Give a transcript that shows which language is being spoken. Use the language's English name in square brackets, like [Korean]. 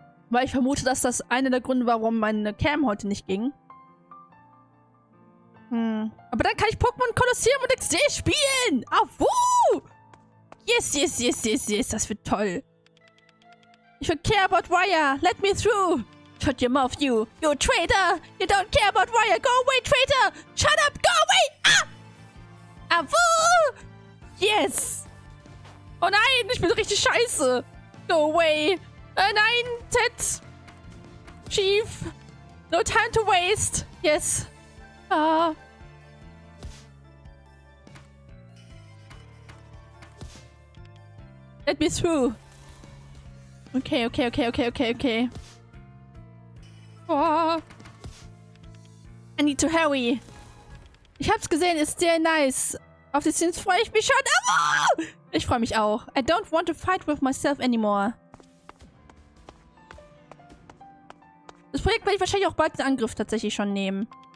[German] Weil ich vermute, dass das einer der Gründe war, warum meine Cam heute nicht ging. Hm. Aber dann kann ich Pokémon Kolosseum und XD spielen! Awu! [English] Yes, yes, yes, yes, yes, [German] das wird toll. [English] You don't care about Raya, let me through. Shut your mouth, you. You traitor. You don't care about Raya. Go away, traitor. Shut up, go away. Ah! Avu! Yes. [German] Oh nein, ich bin richtig scheiße. [English] Go away. [German] Nein, Ted. Chief. [English] No time to waste. Yes. Ah. Let me through. Okay, okay, okay, okay, okay, okay. Oh. I need to hurry. [German] Ich hab's gesehen, ist sehr nice. Auf die Szene freue ich mich schon. Aber ich freue mich auch. [English] I don't want to fight with myself anymore. [German] Das Projekt werde ich wahrscheinlich auch bald in Angriff tatsächlich schon nehmen.